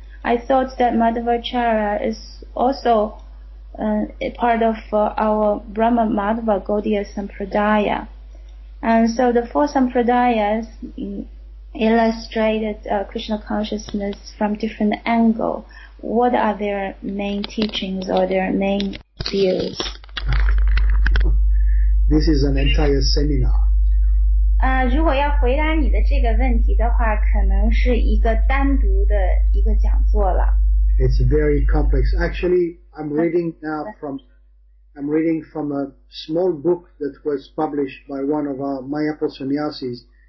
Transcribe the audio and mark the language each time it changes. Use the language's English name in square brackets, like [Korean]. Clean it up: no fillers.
[English] I thought that Madhvacharya is also a part of our Brahma Madhva Gaudiya Sampradaya. And so the four Sampradayas illustrated Krishna consciousness from different angles. What are their main teachings or their main views? This is an entire seminar. [Chinese] 如果要回答你的这个问题的话，可能是一个单独的一个讲座了。 [English] It's very complex. Actually, I'm reading now from, I'm reading from a small book that was published by one of our Mayapur sannyasis.